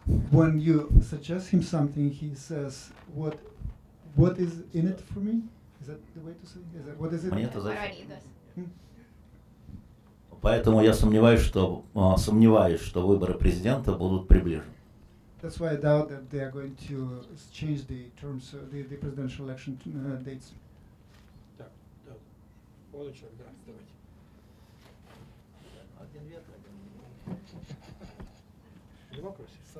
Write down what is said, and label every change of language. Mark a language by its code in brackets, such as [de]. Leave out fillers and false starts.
[en] When you suggest him something, he says, what is in it for me? Is that the way to say it? Is that, what is it? [ru] Мне это зачем? Поэтому я сомневаюсь, что выборы президента будут приближены. [en] That's why I doubt that they are going to change the terms, the presidential election dates. [ru] Так, да. Вот еще, да, давайте. Один ветер. Демократия.